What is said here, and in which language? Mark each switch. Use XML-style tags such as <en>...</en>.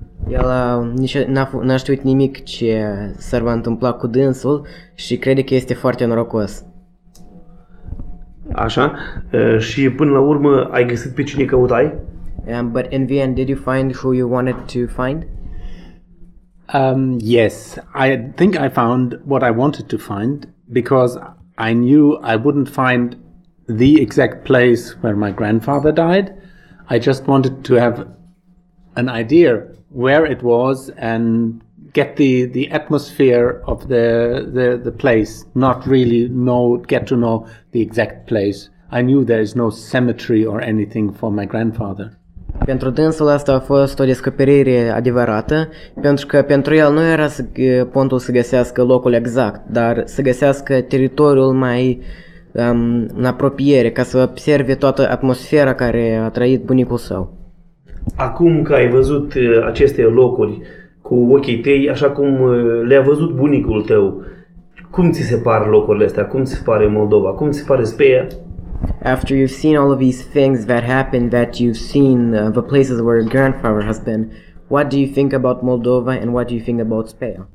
<ro>El n-a știut nimic ce s-ar va întâmpla cu dânsul și crede că este foarte norocos. Așa. Și până la urmă ai găsit pe cine căutai?</ro> <en>But in the end, did you find who you wanted to find? Yes, I think I found what I wanted to find because I knew I wouldn't find the exact place where my grandfather died. I just wanted to have an idea where it was and get the atmosphere of the place, not really know, get to know the exact place. I knew there is no cemetery or anything for my grandfather.</en> <ro>Pentru dânsul asta a fost o descoperire adevărată, pentru că pentru el nu era pontul să găsească locul exact, dar să găsească teritoriul mai în apropiere, ca să observe toată atmosfera care a trăit bunicul său. Acum că ai văzut aceste locuri cu ochii tăi, așa cum le-a văzut bunicul tău, cum ți se par locurile astea? Cum ți se pare Moldova? Cum ți se pare Speia?</ro> <en>After you've seen all of these things that happened, that you've seen the places where your grandfather has been, what do you think about Moldova and what do you think about Speia?</en>